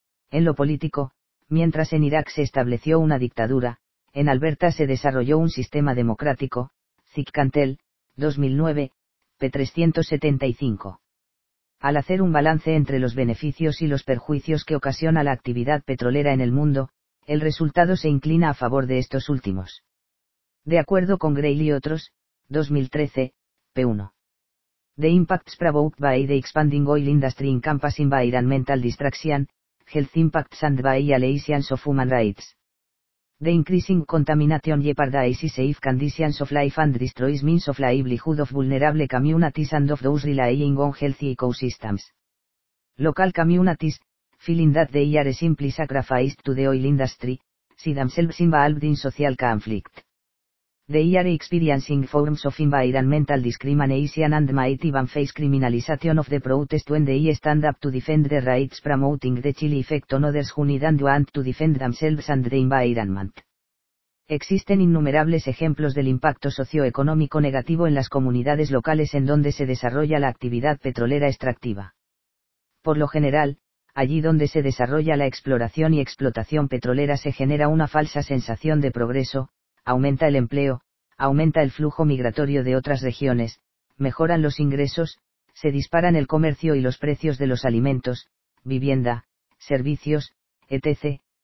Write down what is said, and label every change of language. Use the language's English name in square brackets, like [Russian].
[Spanish] En lo político, mientras en Irak se estableció una dictadura, en Alberta se desarrolló un sistema democrático, Zicantel, 2009, p. 375. Al hacer un balance entre los beneficios y los perjuicios que ocasiona la actividad petrolera en el mundo, el resultado se inclina a favor de estos últimos. De acuerdo con Gray y otros, 2013, p. 1. [English] The Impacts Provoked by the Expanding Oil Industry in Campus Environmental Distraction, Health Impacts and Violations of Human Rights. The increasing contamination jeopardizes safe conditions of life and destroys means of livelihood of vulnerable communities and of those relying on healthy ecosystems. Local communities, feeling that they are simply sacrificed to the oil industry, see themselves involved in social conflict. They are experiencing forms of environmental discrimination and might even face criminalization of the protest when they stand up to defend their rights, promoting the chilly effect on others who need and want to defend themselves and the environment. [Spanish] Existen innumerables ejemplos del impacto socioeconómico negativo en las comunidades locales en donde se desarrolla la actividad petrolera extractiva. Por lo general, allí donde se desarrolla la exploración y explotación petrolera se genera una falsa sensación de progreso, aumenta el empleo, aumenta el flujo migratorio de otras regiones, mejoran los ingresos, se disparan el comercio y los precios de los alimentos, vivienda, servicios, etc.,